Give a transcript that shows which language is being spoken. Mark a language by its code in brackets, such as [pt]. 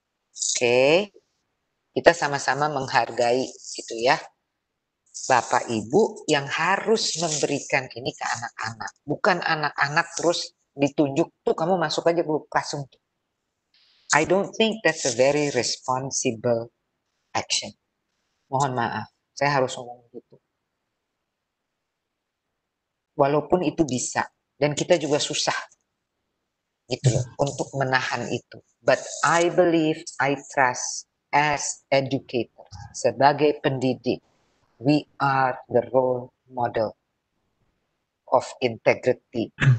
[id] Oke. Kita sama-sama menghargai gitu ya. Bapak Ibu yang harus memberikan ini ke anak-anak. Bukan anak-anak terus ditunjuk, tuh kamu masuk aja grup kelas untuk. [en] I don't think that's a very responsible action. [id] Mohon maaf, saya harus ngomong gitu. Walaupun itu bisa, dan kita juga susah gitu loh, untuk menahan itu. [en] But I believe, I trust as educator, [id] sebagai pendidik, [en] we are the role model of integrity.